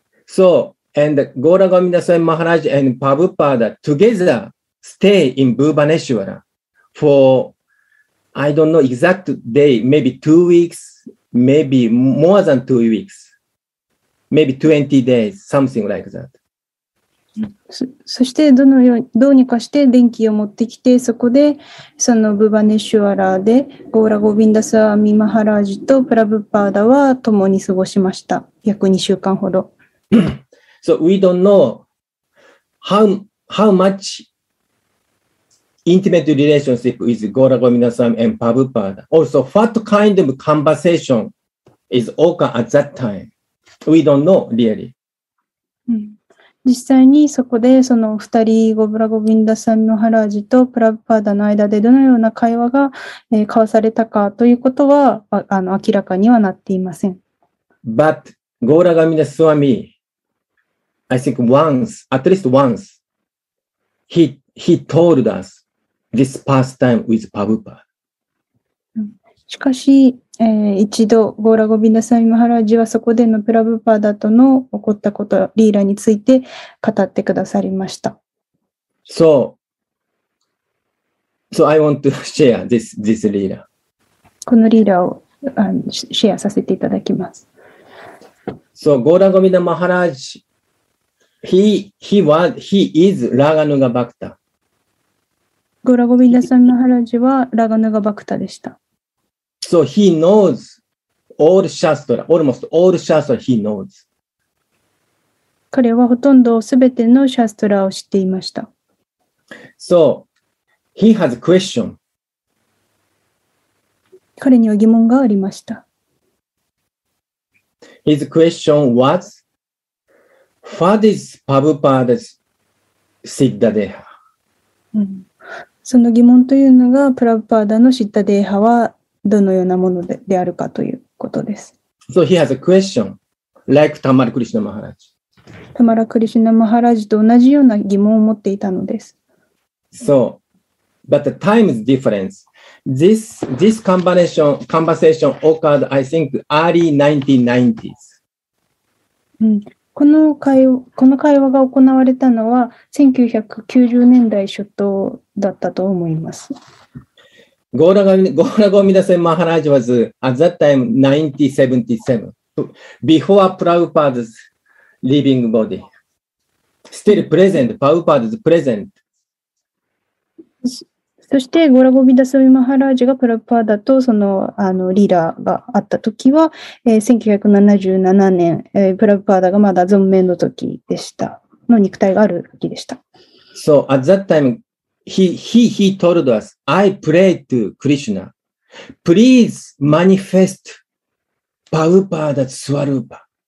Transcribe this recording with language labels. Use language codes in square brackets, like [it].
[en] So,And Gaura Govinda Swami Maharaj and Prabhupada together stay in Bhubaneswara for, I don't know exact day, maybe 2 weeks, maybe more than 2 weeks, maybe 20 days, something like that. [ja] そしてどうにかして電気を持ってきて、そこでそのブバネシュワラでゴーラゴビンダスワミマハラジとプラブパーダは共に過ごしました。約2週間ほど。 [en] So we don't know how much intimate relationship is Gaura Govinda Swami and Prabhupada. Also, what kind of conversation is occur at that time? We don't know really.、 [ja] うん、実際にそこでその2人、Gaura Govinda Swami Maharaj と Prabhupada の間でどのような会話が、交わされたかということは明らかにはなっていません。 [en] But Gauragamina Swami, I think once, at least once, he told us this pastime with Prabhupada. [ja] しかし、一度ゴーラゴビンダスワミマハラージはそこでのプラブパーダとの起こったことリーラについて語ってくださりました。 [en] So I want to share this リーラ。 [ja] このリーラをシェアさせていただきます。 [en] So ゴーラゴビンダマハラージ、he is ラガヌガバクタ。 [ja] ゴーラゴビンダスワミマハラージはラガヌガバクタでした。 [en] So he knows all Shastra, almost all Shastra he knows. [ja] 彼はほとんどすべてのシャストラを知っていました。 [en] So he has a question. [ja] 彼には疑問がありました。 [en] His question was, what is Prabhupada's Siddha Deha? [ja] その疑問というのが、プラブパーダのシッダデーハはどのようなものであるかということです。 [en] So he has a question, like Tamara Krishna Maharaj. [ja] Tamara Krishna Maharaj と同じような疑問を持っていたのです。 [en] So, but the time is different. This conversation occurred, I think, early 1990s. [ja] この会話が行われたのは1990年代初頭だったと思います。 [en] Gauragamidasen Maharaj was at that time 1977, before Prabhupada's living body. Still present, Prabhupada's present. [ja] そして、ゴラゴミダスミマハラージがプラパーダとそのリーラーがあったときは、1977年、プラパーダがまだ存命のときでした。の肉体があるときでした。 [en] So at that time,He told us, I pray to Krishna, please manifest Prabhupada Swarupa.